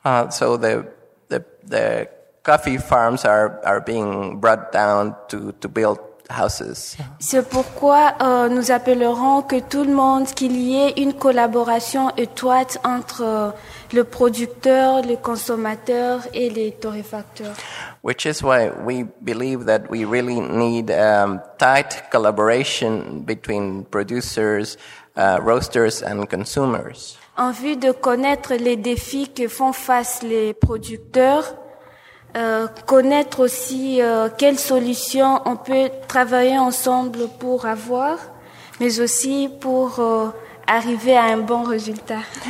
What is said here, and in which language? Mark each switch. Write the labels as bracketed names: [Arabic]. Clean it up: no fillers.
[English] So the coffee farms are being brought down to build houses. [French] C'est pourquoi nous appellerons que tout le monde, qu'il y ait une collaboration étroite entre le producteur, le consommateur et les torréfacteurs. [English] Which is why we believe that we really need tight collaboration between producers, roasters and consumers. [French] En vue de connaître les défis que font face les producteurs, connaître aussi quelles solutions on peut travailler ensemble pour avoir, mais aussi pour arriver à un bon résultat.